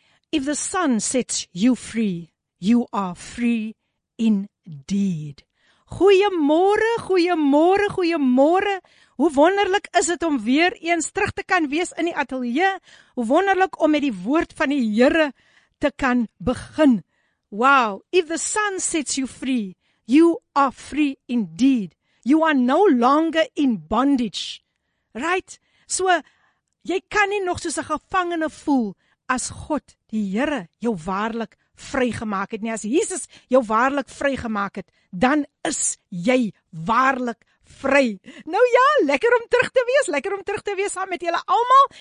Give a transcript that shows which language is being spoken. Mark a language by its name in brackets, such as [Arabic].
[English] If the Son sets you free, you are free indeed. [Afrikaans] Goeiemôre, goeiemôre, goeiemôre. Hoe wonderlik is het om weer eens terug te kan wees in die ateljee. Hoe wonderlik om met die woord van die Here te kan begin. [English] Wow, if the Son sets you free, you are free indeed. You are no longer in bondage. Right? [Afrikaans] So, jy kan nie nog soos 'n gevangene voel as God, die Here, jou waarlik vrygemaak het nie. As Jesus jou waarlik vrygemaak het, dan is jy waarlik vry. Nou ja, lekker om terug te wees, lekker om terug te wees saam met julle almal.